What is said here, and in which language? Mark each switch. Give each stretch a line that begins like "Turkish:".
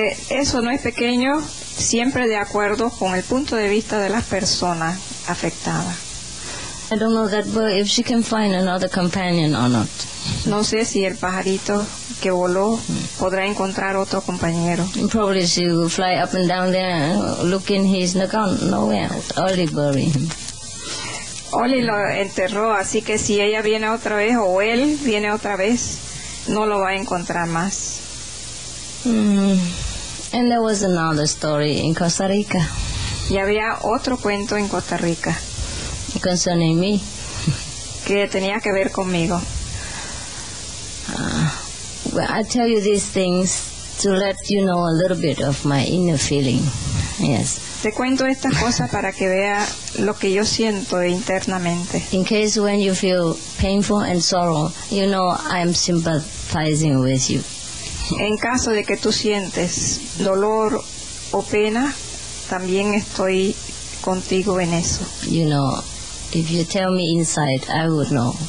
Spanish: Eso no es pequeño, siempre de acuerdo con el punto de vista de las personas afectadas.
English: I don't know that bird if she can find another companion or not.
Spanish: No sé si el pajarito que voló podrá encontrar otro compañero.
English: Probably she will fly up and down there looking, he's not gone, nowhere. Ollie buried him.
Spanish: Ollie lo enterró, así que si ella viene otra vez o él viene otra vez, no lo va a encontrar más.
English: And there was another story in Costa Rica.
Spanish: Y había otro cuento en Costa Rica.
English: Concerning me.
Spanish: Que tenía que ver conmigo.
English: Well, I tell you these things to let you know a little bit of my inner feeling. Yes.
Spanish: Te cuento estas cosas para que vea lo que yo siento internamente.
English: In case when you feel painful and sorrow, you know I'm sympathizing with you.
Spanish: En caso de que tú sientes dolor o pena, también estoy contigo en eso.
English: You know, if you tell me inside, I would know.